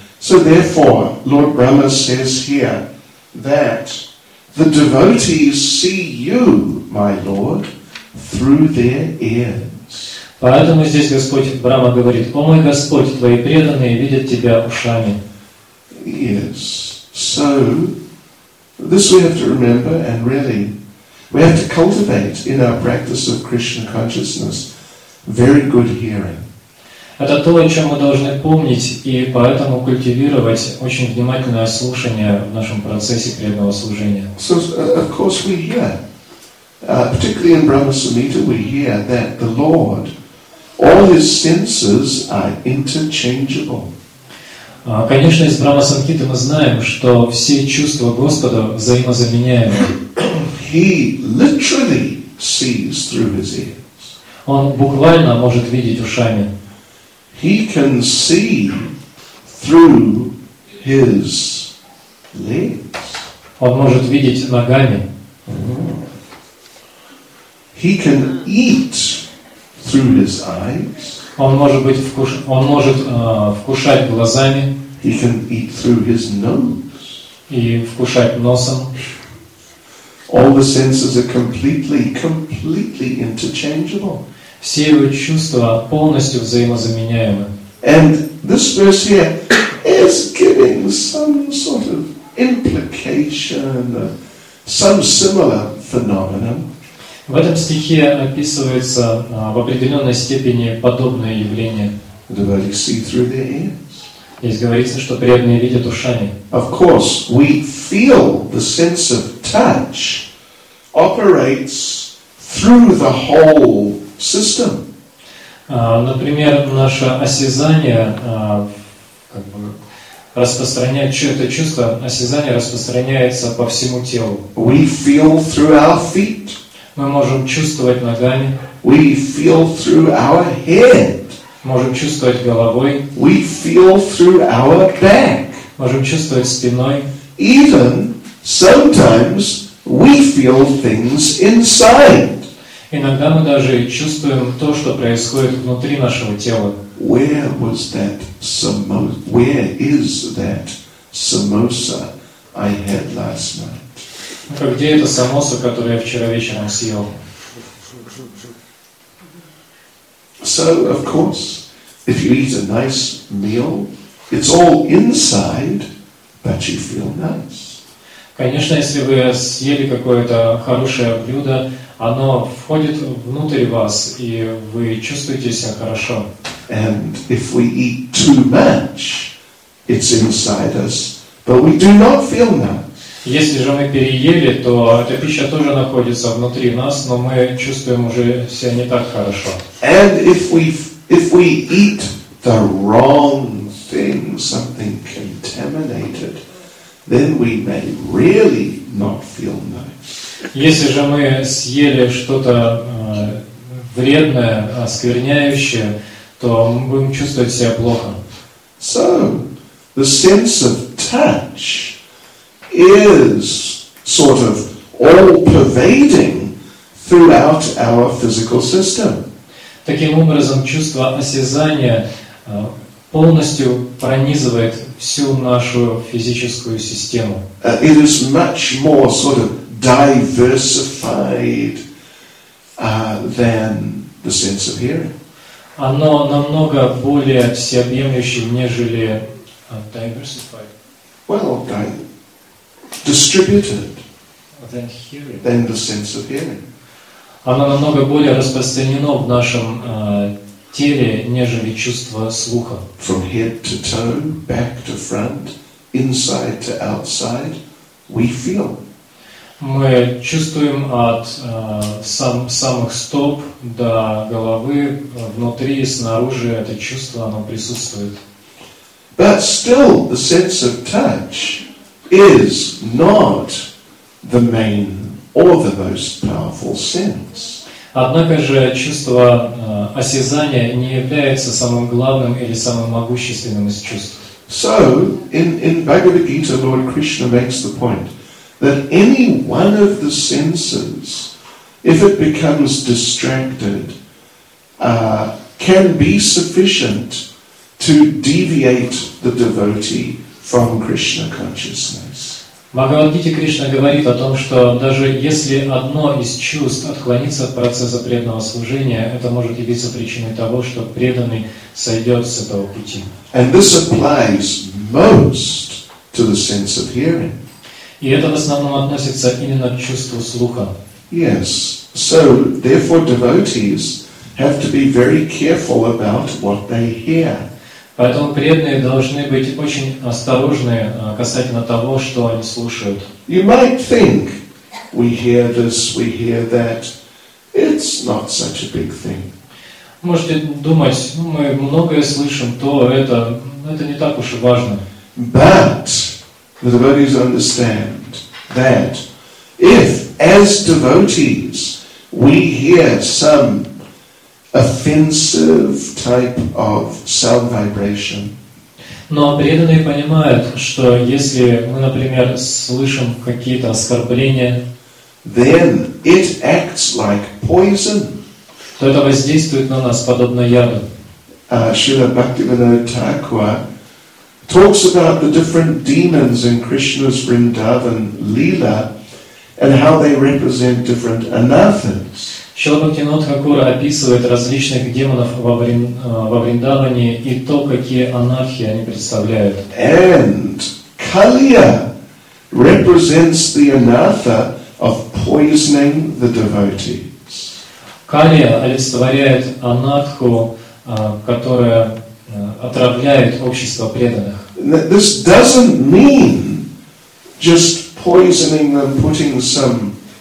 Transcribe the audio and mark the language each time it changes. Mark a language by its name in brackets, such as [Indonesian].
[English] So therefore, Lord Brahma says here that the devotees see you, my Lord, through their ears. [Russian] Поэтому здесь Господь Брама говорит: «О мой Господь, твои преданные видят тебя ушами». [English] Yes. So this we have to remember, and really we have to cultivate in our practice of Krishna consciousness very good hearing. [Russian] Это то, о чем мы должны помнить, и поэтому культивировать очень внимательное слушание в нашем процессе преданного служения. [English] So of course we hear, particularly in Brahma Samhita, we hear that the Lord, all his senses are interchangeable. [Russian] Конечно, из Брахма Санкхиты мы знаем, что все чувства Господа взаимозаменяемы. [English] He literally sees through his ears. [Russian] Он буквально может видеть ушами. [English] He can see through his legs. [Russian] Он может видеть ногами. [English] He can eat through his eyes. [Russian] Он может вкушать глазами. [English] He can eat through his nose. [Russian] И вкушать носом. [English] All the senses are completely interchangeable. [Russian] Все его чувства полностью взаимозаменяемы. [English] And this verse here is giving some sort of implication, some similar phenomenon. [Russian] В этом стихе описывается в определенной степени подобное явление. Здесь говорится, что преданные видят ушами. [English] Of course, we feel the sense of touch, operates through the whole system. [Russian] Например, наше осязание распространяет, это чувство осязания распространяется по всему телу. [English] We feel through our feet. [Russian] Мы можем чувствовать ногами. [English] We feel through our head. [Russian] Можем чувствовать головой. [English] We feel through our back. [Russian] Можем чувствовать спиной. [English] Even sometimes we feel things inside. [Russian] Иногда мы даже чувствуем то, что происходит внутри нашего тела. [English] Where was that samosa? Where is that samosa I had last night? [Russian] Где эта самоса, которую я вчера вечером съел? [English] So, of course, if you eat a nice meal, it's all inside, but you feel nice. [Russian] Конечно, если вы съели какое-то хорошее блюдо, оно входит внутрь вас, и вы чувствуете себя хорошо. [English] And if we eat too much, it's inside us, but we do not feel nice. [Russian] Если же мы переели, то эта пища тоже находится внутри нас, но мы чувствуем уже себя не так хорошо. [English] And if we eat the wrong thing, something contaminated, then we may really not feel nice. [Russian] Если же мы съели что-то вредное, оскверняющее, то мы будем чувствовать себя плохо. [English] So, the sense of touch is sort of all-pervading throughout our physical system. [Russian] Таким образом, чувство осязания полностью пронизывает всю нашу физическую систему. [English] It is much more sort of diversified than the sense of hearing. [Russian] Оно намного более всеобъемлющее, нежели diversified. [English] Well, distributed than hearing. Than the sense of hearing. [Russian] Оно намного более распространено в нашем теле, нежели чувство слуха. [English] From head to toe, back to front, inside to outside, we feel. [Russian] Мы чувствуем от самых стоп до головы, внутри и снаружи это чувство, оно присутствует. [English] But still, the sense of touch is not the main or the most powerful sense. [Russian] Однако же чувство осязания не является самым главным или самым могущественным из чувств. [English] So, in Bhagavad Gita, Lord Krishna makes the point that any one of the senses, if it becomes distracted, can be sufficient to deviate the devotee from Krishna consciousness. [Russian] Бхагавад-гита Кришна говорит о том, что даже если одно из чувств отклонится от процесса преданного служения, это может явиться причиной того, что преданный сойдет с этого пути. [English] And this applies most to the sense of hearing. [Russian] И это в основном относится именно к чувству слуха. [English] Yes. So, therefore, devotees have to be very careful about what they hear. [Russian] Поэтому преданные должны быть очень осторожны касательно того, что они слушают. [English] You might think, we hear this, we hear that. It's not such a big thing. [Russian] Можете думать, ну, мы многое слышим, то это не так уж и важно. [English] But the devotees understand that if, as devotees, we hear some offensive type of sound vibration. [Russian] Но преданные понимают, что если мы, например, слышим какие-то оскорбления, [English] then it acts like poison. [Russian] То это воздействует на нас подобно яду. [English] Шрила Бхактивинода Тхакура talks about the different demons in Krishna's Vrindavan Leela and how they represent different anathas. [Russian] Шрила Бхактивинода Тхакура описывает различных демонов во Вриндаване и то, какие анархи они представляют. [English] And Kaliya represents the anatha of poisoning the devotees. [Russian] Калия олицетворяет анатху, которая отравляет общество преданных. [English] This doesn't mean just poisoning them, putting some